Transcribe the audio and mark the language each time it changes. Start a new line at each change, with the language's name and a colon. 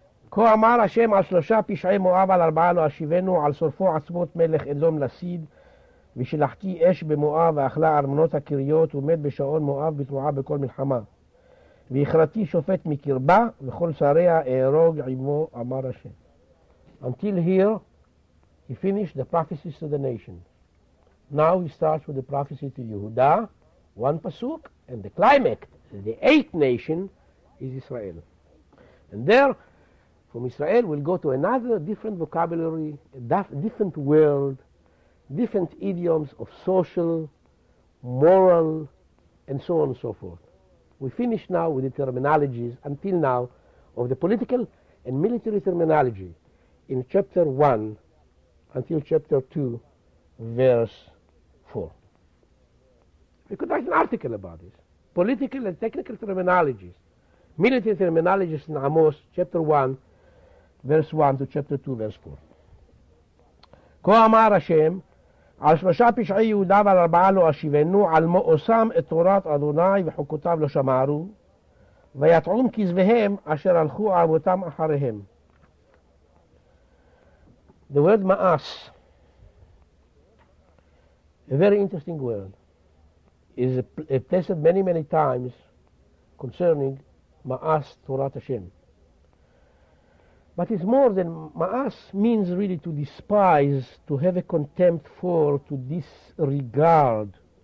Hebrew: כה אמר השם על שלושה פשעי מואב על ארבעה לא אשיבנו, על שורפו עצמות מלך אדום לסיד, ושלחתי אש במואב ואכלה ארמונות הקריות, ומת בשעון מואב בתרועה בכל מלחמה. והכרתי שופט מקרבה, וכל שריה אהרוג עמו, אמר השם.
English: Until here, he finished the prophecies to the nation. Now he starts with the prophecy to Yehuda, one pasuk, and the climax, the eighth nation, is Israel. And there, from Israel, we'll go to another different vocabulary, different world, different idioms of social, moral, and so on and so forth. We finish now with the terminologies, until now, of the political and military terminology in chapter 1 until chapter 2, verse 4. We could write an article about this. Political and technical terminologies. Military terminologies in Amos, chapter 1, verse 1 to chapter 2, verse 4.
Hebrew: כה אמר השם, על שלושה פשעי יהודה ועל ארבעה לא אשיבנו, על מאוסם את תורת אדוני וחוקותיו לא שמרו, ויתעום כזבהם אשר הלכו אבותם אחריהם.
English: The word מאס, a very interesting word, is attested many, many times concerning
Hebrew: מאס תורת השם.
English: But it's more than ma'as means really to despise, to have a contempt for, to disregard.